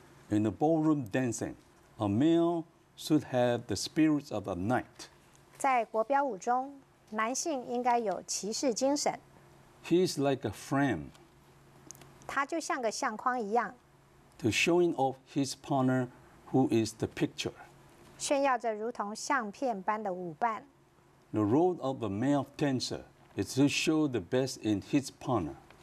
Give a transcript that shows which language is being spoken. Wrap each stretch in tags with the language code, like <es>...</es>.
<en>In the ballroom dancing, a male should have the spirit of a knight.</en> <zh>在国标舞中, 男性应该有骑士精神.</zh> <en>He is like a frame.</en> <zh>他就像个相框一样,</zh> <en>to showing off his partner who is the picture.</en> <zh>炫耀着如同相片般的舞伴.</zh> <en>The role of a male dancer is to show the best in his partner.</en>